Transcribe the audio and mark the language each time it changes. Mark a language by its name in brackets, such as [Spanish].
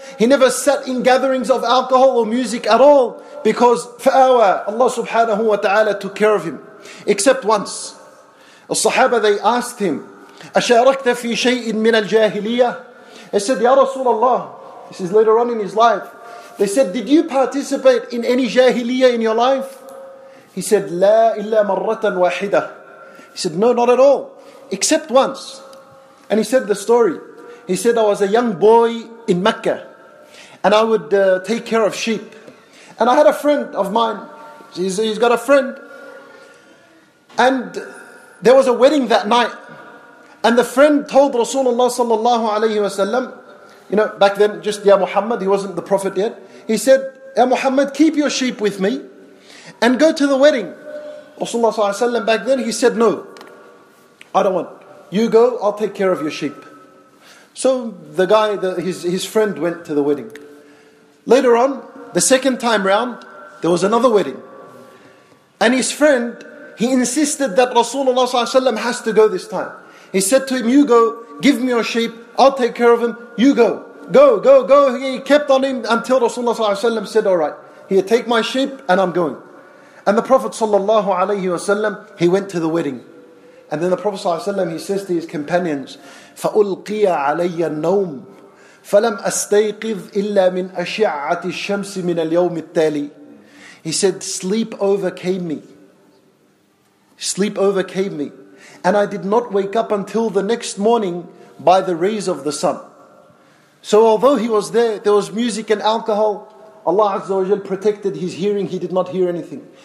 [English] He never sat in gatherings of alcohol or music at all, because fa'awa, Allah subhanahu wa ta'ala took care of him. Except once. As-sahaba, they asked him, [Arabic] أَشَارَكْتَ فِي شَيْءٍ مِنَ الْجَاهِلِيَّةِ. [English] They said, Ya Rasulullah, this is later on in his life. They said, did you participate in any jahiliyyah in your life? [Arabic] He said, لَا إِلَّا مَرَّةً وَاحِدَةً. [English] He said, no, not at all. Except once. And he said the story. He said, I was a young boy in Mecca, and I would take care of sheep. And I had a friend of mine. He's got a friend. And there was a wedding that night. And the friend told Rasulullah sallallahu alayhi wasallam, you know, back then, just Ya Muhammad, he wasn't the Prophet yet. He said, Ya Muhammad, keep your sheep with me and go to the wedding. Rasulullah sallallahu alayhi wasallam back then, he said, no, I don't want. You go, I'll take care of your sheep. So the guy, his friend went to the wedding. Later on, the second time round, there was another wedding. And his friend, he insisted that Rasulullah ﷺ has to go this time. He said to him, you go, give me your sheep, I'll take care of him, you go. Go, go, go. He kept on him until Rasulullah ﷺ said, all right, here, take my sheep and I'm going. And the Prophet ﷺ, he went to the wedding. And then the Prophet ﷺ, he says to his companions, [Arabic] فَأُلْقِيَ عَلَيَّ النَّوْمِ فَلَمْ أَسْتَيْقِظْ إِلَّا مِنْ أَشِعَّةِ الشَّمْسِ مِنَ الْيَوْمِ التَّالِي. [English] He said, sleep overcame me. Sleep overcame me. And I did not wake up until the next morning by the rays of the sun. So although he was there, there was music and alcohol. Allah Azza wa Jal protected his hearing. He did not hear anything.